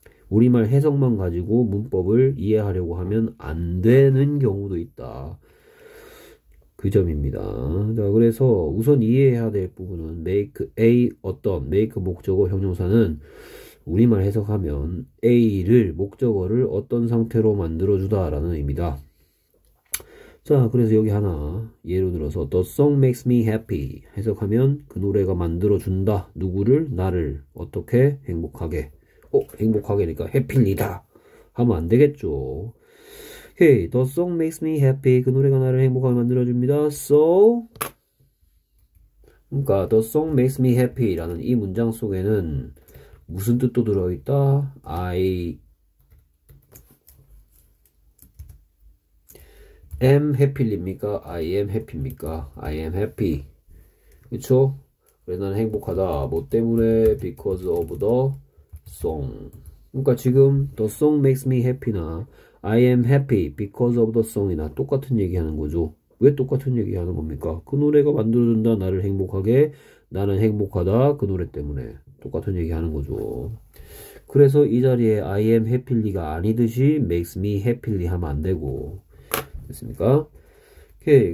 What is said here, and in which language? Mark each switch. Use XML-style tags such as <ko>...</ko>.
<ko>우리말 해석만 가지고 문법을 이해하려고 하면 안 되는 경우도 있다. 그 점입니다. 자, 그래서 우선 이해해야 될 부분은 make a 어떤, make 목적어 형용사는 우리말 해석하면 a를 목적어를 어떤 상태로 만들어주다라는 의미다. 자, 그래서 여기 하나. 예를 들어서,</ko> <en>The song makes me happy.</en> <ko>해석하면, 그 노래가 만들어준다. 누구를? 나를. 어떻게? 행복하게. 행복하게니까, 해피니다. 하면 안 되겠죠.</ko> <en>Hey, The song makes me happy.</en> <ko>그 노래가 나를 행복하게 만들어줍니다. So, 그러니까,</ko> <en>The song makes me happy</en> <ko>라는 이 문장 속에는 무슨 뜻도 들어있다?</ko> <en>I am happy입니까? I am happy입니까? I am happy.</en> <ko>그쵸? 그래서 나는 행복하다. 뭐 때문에?</ko> <en>Because of the song.</en> <ko>그러니까 지금</ko> <en>the song makes me happy나 I am happy because of the song이나</en> <ko>똑같은 얘기하는 거죠. 왜 똑같은 얘기하는 겁니까? 그 노래가 만들어준다. 나를 행복하게. 나는 행복하다. 그 노래 때문에. 똑같은 얘기하는 거죠. 그래서 이 자리에</ko> <en>I am happily</en> <ko>가 아니듯이</ko> <en>makes me happily</en> <ko>하면 안 되고. 됐습니까? 오케이.</ko>